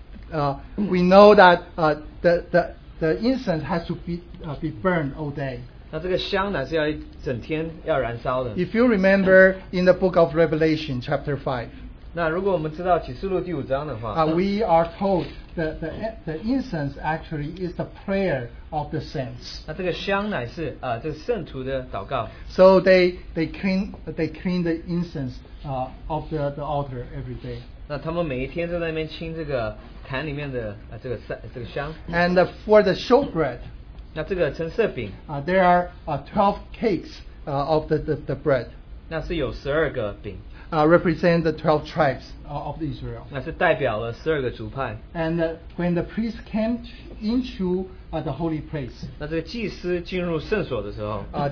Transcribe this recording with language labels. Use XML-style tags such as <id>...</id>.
<en>we know that the incense has to be burned all day.</en> <zh>那这个香呢是要一整天要燃烧的。</zh> <en>If you remember in the book of Revelation chapter 5,</en> <zh>那如果我们知道启示录第五章的话,</zh> <en>we are told that the incense actually is the prayer of the saints.</en> <zh>那这个香乃是, 这个圣徒的祷告。</zh> <en>So they clean the incense of the altar every day.</en> <zh>那他们每一天都在那边清这个坛里面的, 这个香。</zh> <en>And for the showbread,</en> <zh>那这个陈设饼,</zh> <en>there are 12 cakes of the bread.</en> <zh>那是有12个饼。</zh> <en>Represent the 12 tribes of Israel.</en> <zh>那是代表了12个族派。</zh> <en>And when the priest came into the holy place,</en> <zh>那这个祭司进入圣所的时候,</zh>